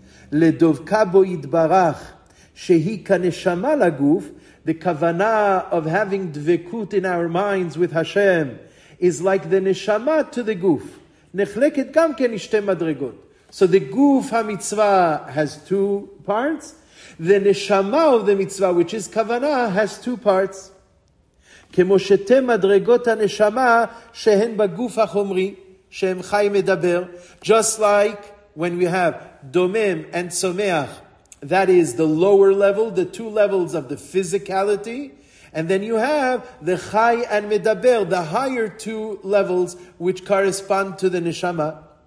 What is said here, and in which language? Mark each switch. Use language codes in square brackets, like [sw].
[he] Ledovka bo yidbarach, shehi kaneshama laguf, [en] the kavanah of having dvekut in our minds with Hashem is like the neshama to the guf. [he] Nechleket gam ken ishte madregot. [en] So the guf ha-mitzvah has two parts. The neshama of the mitzvah, which is kavanah, has two parts. [he] כמו שתי מדרגות הנשמה שהן בגוף החומרי, שהם חי מדבר. [en] Just like when we have domem and tzomeach, that is the lower level, the two levels of the physicality. And then you have the chai and medaber, the higher two levels which correspond to the neshama.